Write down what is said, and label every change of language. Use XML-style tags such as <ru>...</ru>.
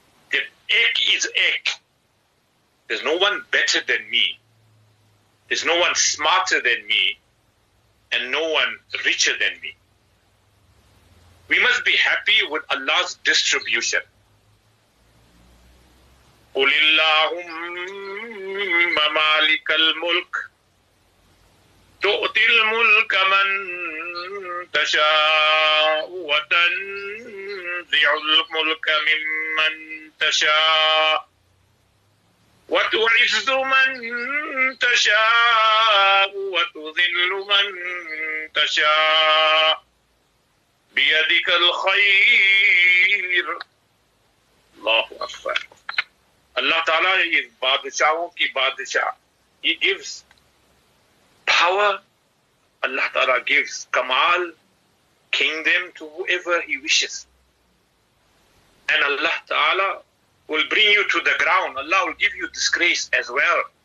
<en>The ek is ek. There's no one better than me. There's no one smarter than me. And no one richer than me. We must be happy with Allah's distribution.</en> <ar>قل اللهم مالك الملك تؤتي الملك من تشاء وتنزع الملك ممن تشاء وتعز من تشاء وتذل من تشاء بيدك الخير. الله أكبر.</ar> <en>Allah Ta'ala is</en> <ur>Badshahon ki Badshah.</ur> <en>He gives power. Allah Ta'ala gives Kamal, kingdom to whoever He wishes. And Allah Ta'ala will bring you to the ground. Allah will give you disgrace as well.</en>